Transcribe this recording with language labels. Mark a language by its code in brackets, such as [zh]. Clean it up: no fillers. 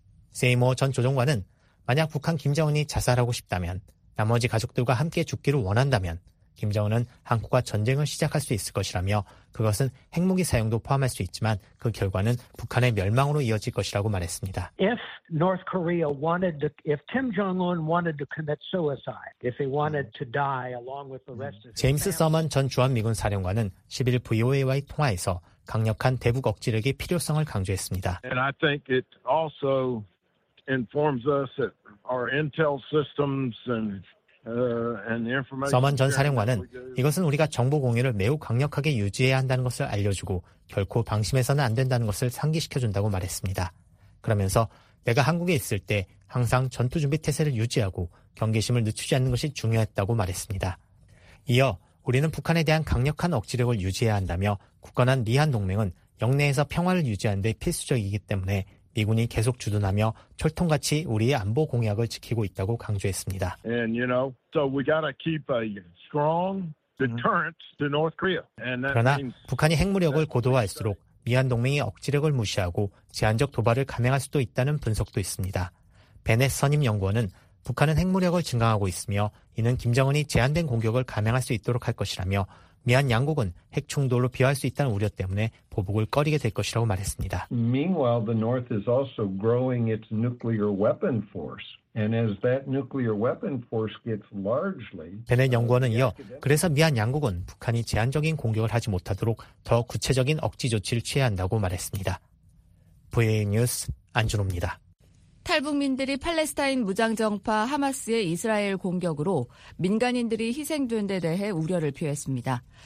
[ko] 세이머 전 조정관은 만약 북한 김정은이 자살하고 싶다면 나머지 가족들과 함께 죽기를 원한다면 김정은은 한국과 전쟁을 시작할 수 있을 것이라며 그것은 핵무기 사용도 포함할 수 있지만 그 결과는 북한의 멸망으로 이어질 것이라고 말했습니다. [en] If North Korea wanted to, if Kim Jong-un wanted to commit suicide, if he wanted to die along with the rest of his [ko] 제임스 서먼 전 주한미군 사령관은 11일 VOA와의 통화에서 강력한 대북 억지력의 필요성을 강조했습니다. [en] And I think it also informs us that our intel systems and the information [ko] 서먼 전 사령관은 이것은 우리가 정보 공유를 매우 강력하게 유지해야 한다는 것을 알려주고 결코 방심해서는 안 된다는 것을 상기시켜준다고 말했습니다. 그러면서 내가 한국에 있을 때 항상 전투 준비 태세를 유지하고 경계심을 늦추지 않는 것이 중요했다고 말했습니다. 이어 우리는 북한에 대한 강력한 억지력을 유지해야 한다며 굳건한 미한 동맹은 영내에서 평화를 유지하는 데 필수적이기 때문에 미군이 계속 주둔하며 철통같이 우리의 안보 공약을 지키고 있다고 강조했습니다. [en] And you know, so we gotta keep a strong deterrent to North Korea. [ko] 그러나 북한이 핵무력을 고도화할수록 미한 동맹의 억지력을 무시하고 제한적 도발을 감행할 수도 있다는 분석도 있습니다. 베넷 선임 연구원은 북한은 핵무력을 증강하고 있으며 이는 김정은이 제한된 공격을 감행할 수 있도록 할 것이라며 미한 양국은 핵 충돌로 비화할 수 있다는 우려 때문에 보복을 꺼리게 될 것이라고 말했습니다. [en] Meanwhile, the North is also growing its nuclear weapon force, and as that nuclear weapon force gets largely [ko] 베넷 연구원은 이어 그래서 미한 양국은 북한이 제한적인 공격을 하지 못하도록 더 구체적인 억지 조치를 취해야 한다고 말했습니다. VOA 뉴스 안준호입니다. 탈북민들이 팔레스타인 무장정파 하마스의 이스라엘 공격으로 민간인들이 희생된 데 대해 우려를 표했습니다.